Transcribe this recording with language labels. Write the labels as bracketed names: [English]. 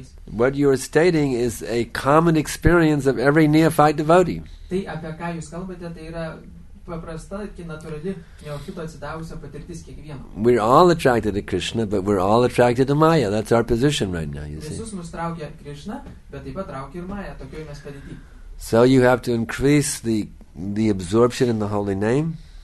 [English] What you're stating is a common experience of every neophyte devotee. [Lithuanian] Tai, apie ką jūs kalbate, tai yra paprasta, natūrali, neofito atsidavusio patirtis kiekvieno. [English] We're all attracted to Krishna, but we're all attracted to Maya. That's our position right now, you see. [Lithuanian] Visus mus traukia Krishna, bet taip pat traukia ir Maya. Tokioj mes padėti. [English] So you have to increase the absorption in the holy name.